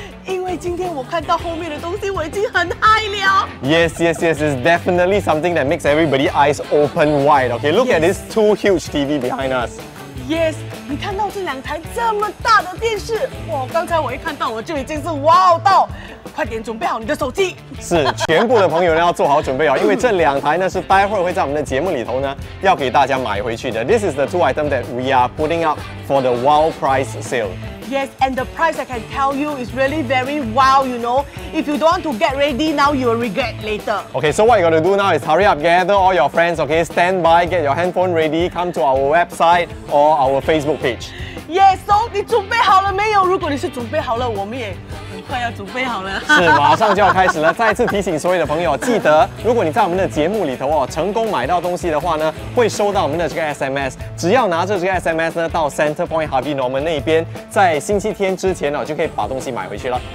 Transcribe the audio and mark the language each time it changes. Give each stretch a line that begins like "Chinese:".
Chinese: 因为今天我看到后面的东西，我已经很嗨了。
English: Yes, yes, yes, it's definitely something that makes everybody's eyes open wide. Okay, look at this two huge TV behind us. Yes,
Chinese: 你看到这两台这么大的电视，哇！刚才我一看到，我就已经是哇到。快点准备好你的手机，是全部的朋友要做好准备哦，因为这两台呢是待会儿会在我们的节目里头呢要给大家买回去的。
English: This is the two items that we are putting up for the wow price sale. Yes, and the price I can tell you is really very wow, you know. If you don't want to get ready now, you will regret later. Okay, so what you're going to do now is hurry up, gather all your friends, okay, stand by, get your handphone ready, come to our website or our Facebook page. Yes, so
Chinese: 你准备好了没有？如果你是准备好了，我们也快要准备好了，是马上就要开始了。再次提醒所有的朋友，记得如果你在我们的节目里头哦，成功买到东西的话呢，会收到我们的这个 SMS。只要拿着这个 SMS 呢，到 Center Point Harvey Norman 那边，在星期天之前呢，就可以把东西买回去了。